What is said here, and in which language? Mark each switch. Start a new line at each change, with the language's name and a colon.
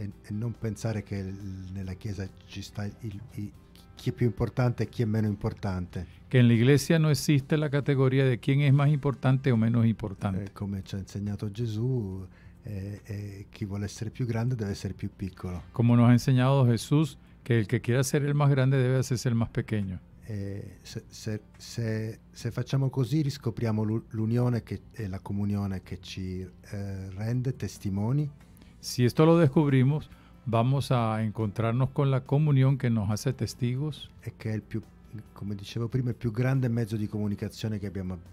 Spanish: No pensar que en la Chiesa está quién es más importante y quién menos importante. Que en la Iglesia no existe la categoría de quién es más importante o menos importante. Como
Italian: ci ha
Spanish: enseñado Jesús, quien vuole ser más grande debe ser más pequeño. Como nos ha enseñado Jesús, que el que quiera ser el más grande debe hacerse el más pequeño.
Italian: se facciamo così riscopriamo l'unione che è la comunione che ci rende testimoni.
Spanish: Si esto lo descubrimos, vamos a encontrarnos con la comunión que nos hace testigos.
Italian: E che è il più, come dicevo prima, il più grande mezzo di comunicazione che abbiamo.